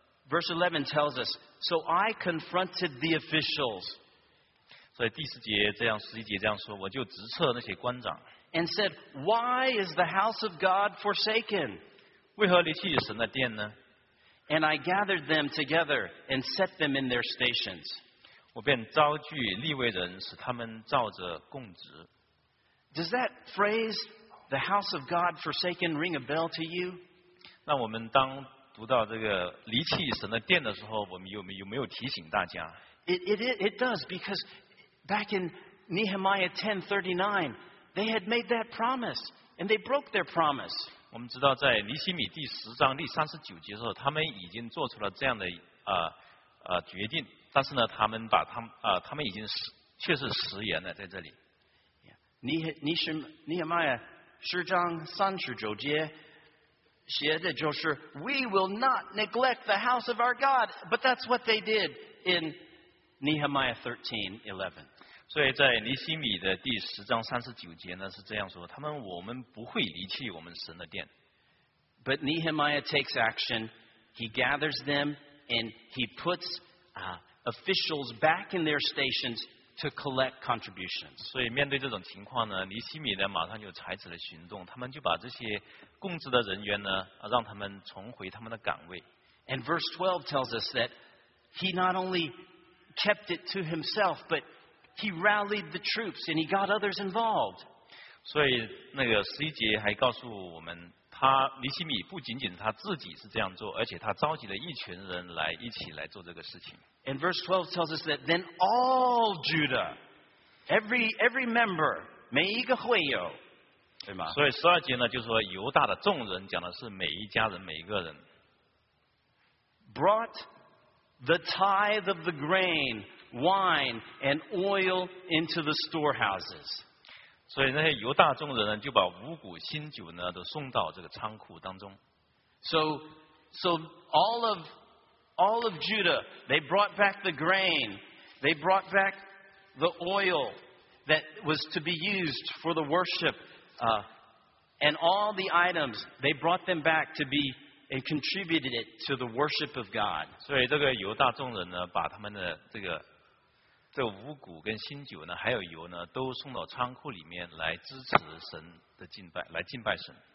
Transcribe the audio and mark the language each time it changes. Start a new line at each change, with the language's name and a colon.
English: Verse 11 tells us, so I confronted the officials.
Chinese: 所以第十节这样，十一节这样说，我就直斥那些官长。
English: And said, why is the house of God forsaken?
Chinese: 为何离弃神的殿呢？
English: And I gathered them together and set them in their stations.
Chinese: 我便召聚利未人，使他们照着供职。
English: Does that phrase, the house of God forsaken, ring a bell to you?
Chinese: 那我们当读到这个离弃神的殿的时候，我们有没有提醒大家？
English: It does, because back in Nehemiah 10:39, they had made that promise, and they broke their promise.
Chinese: 我们知道在尼希米第十章第三十九节的时候，他们已经做出了这样的决定，但是呢，他们把他们已经确实食言了在这里。
English: Nehemiah
Chinese: 十章三十九节写的就是
English: "We will not neglect the house of our God," but that's what they did in Nehemiah 13:11.
Chinese: 所以在尼希米的第十章三十九节呢是这样说，他们我们不会离弃我们神的殿。
English: But Nehemiah takes action. He gathers them and he puts officials back in their stations to collect contributions.
Chinese: 所以面对这种情况呢，尼希米呢马上就采取了行动，他们就把这些供职的人员呢让他们重回他们的岗位。
English: And verse 12 tells us that he not only kept it to himself, butHe rallied the troops and he got others involved.
Chinese: 所以那个十一节还告诉我们，他尼希米不仅仅他自己是这样做，而且他召集了一群人来一起来做这个事情。
English: And verse 12 tells us that then all Judah, every member,
Chinese: 每一个会友，对吗？所以十二节呢，就是说犹大的众人，讲的是每一家人每一个人。
English: Brought the tithe of the grain. Wine and oil into the storehouses.
Chinese: 所以那些犹大众人就把五谷新酒呢都送到这个仓库当中。
English: So all of Judah, they brought back the grain, they brought back the oil that was to be used for the worship, and all the items, they brought them back to be and contributed it to the worship of God.
Chinese: 所以这个犹大众人呢，把他们的这个这五谷跟新酒呢，还有油呢，都送到仓库里面来支持神的敬拜，来敬拜神。